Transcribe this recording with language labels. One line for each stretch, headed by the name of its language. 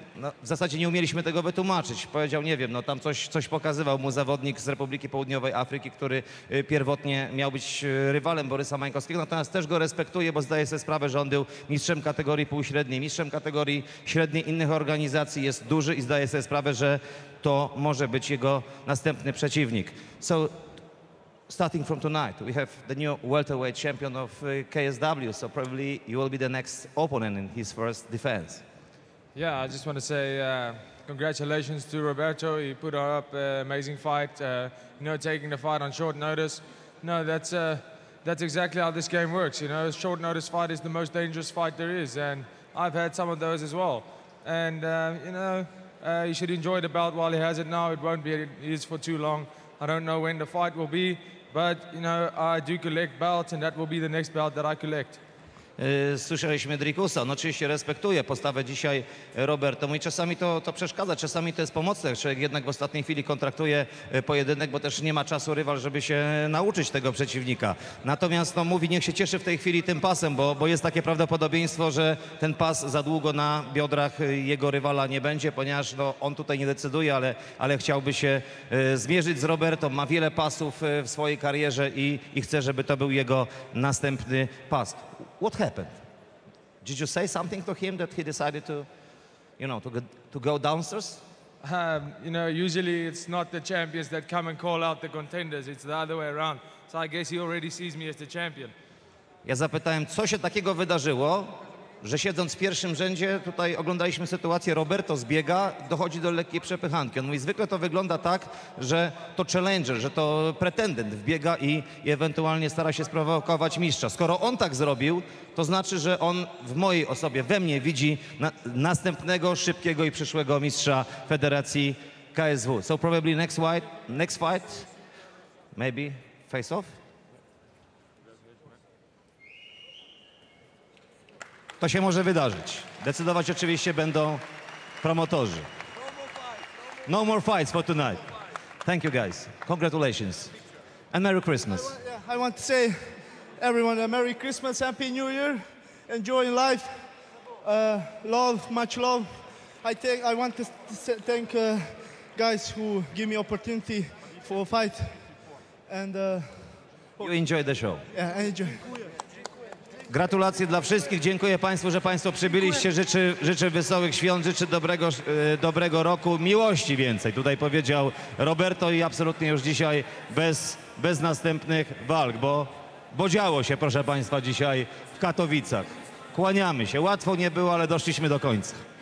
Polish: No, w zasadzie nie umieliśmy tego wytłumaczyć. Powiedział, nie wiem, no tam coś pokazywał mu zawodnik z Republiki Południowej Afryki, który pierwotnie miał być rywalem Borysa Mańkowskiego. Natomiast też go respektuje, bo zdaje sobie sprawę, że on był mistrzem kategorii półśredniej, mistrzem kategorii średniej innych organizacji, jest duży i zdaje sobie sprawę, że to może być jego następny przeciwnik.
English: So, starting from tonight, we have the new welterweight champion of KSW, so probably you will be the next opponent in his first defense. Yeah, I just want to say congratulations to Roberto. He put up an amazing fight, you know, taking the fight on short notice. No, that's exactly how this game works, you know. A short notice fight is the most dangerous fight there is, and I've had some of those as well. And, you know, he should enjoy the belt while he has it now. It won't be his for too long. I don't know when the fight will be, but, you know, I do collect belts, and that will be the next belt that I collect.
Polish: Słyszeliśmy Drikusa. No oczywiście respektuję postawę dzisiaj Roberto. Mówi, czasami to przeszkadza, czasami to jest pomocne. Człowiek jednak w ostatniej chwili kontraktuje pojedynek, bo też nie ma czasu rywal, żeby się nauczyć tego przeciwnika. Natomiast no, mówi, niech się cieszy w tej chwili tym pasem, bo jest takie prawdopodobieństwo, że ten pas za długo na biodrach jego rywala nie będzie, ponieważ no, on tutaj nie decyduje, ale chciałby się zmierzyć z Roberto. Ma wiele pasów w swojej karierze i chce, żeby to był jego następny pas.
English: What happened? Did you say something to him that he decided to, you know, to go downstairs? You know, usually it's not the champions that come and call out the contenders. It's the other way around. So I guess he already sees me as the champion.
Polish: Ja zapytałem, co się takiego wydarzyło, że siedząc w pierwszym rzędzie, tutaj oglądaliśmy sytuację, Roberto zbiega, dochodzi do lekkiej przepychanki. On mówi, zwykle to wygląda tak, że to challenger, że to pretendent wbiega i ewentualnie stara się sprowokować mistrza. Skoro on tak zrobił, to znaczy, że on w mojej osobie, we mnie widzi następnego, szybkiego i przyszłego mistrza Federacji KSW.
English: So probably next fight, maybe face off?
Polish: To się może wydarzyć. Decydować oczywiście będą promotorzy.
English: No more fights for tonight. Thank you guys. Congratulations. And Merry Christmas. I want to say everyone a Merry Christmas, Happy New Year. Enjoy life. Love, much love. I want to thank guys who give me opportunity for a fight. And you enjoy the show. Yeah, enjoy.
Polish: Gratulacje dla wszystkich. Dziękuję Państwu, że Państwo przybyliście. Życzę wesołych świąt, życzę dobrego roku, miłości więcej. Tutaj powiedział Roberto i absolutnie już dzisiaj bez następnych walk, bo działo się, proszę Państwa, dzisiaj w Katowicach. Kłaniamy się. Łatwo nie było, ale doszliśmy do końca.